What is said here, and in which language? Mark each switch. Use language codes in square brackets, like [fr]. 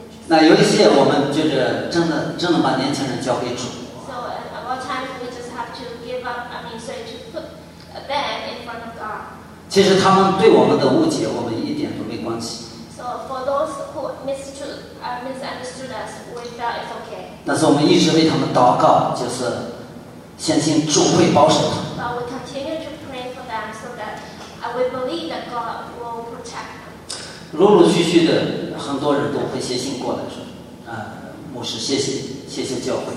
[zh] 那有一些我们就是真的把年轻人交给主。 [en] So a lot of times we just have to give up. I mean, so to put a bed in front of God. [zh] 其实他们对我们的误解，我们一点都没关系。 [en] So for those who misunderstood us, we felt it's okay. [zh] 但是我们一直为他们祷告，就是相信主会保守他。 [en] But we continue to pray for them so that a And we believe that God will protect them. [zh] 陆陆续续的，很多人都会写信过来说，啊，牧师，谢谢，谢谢教会。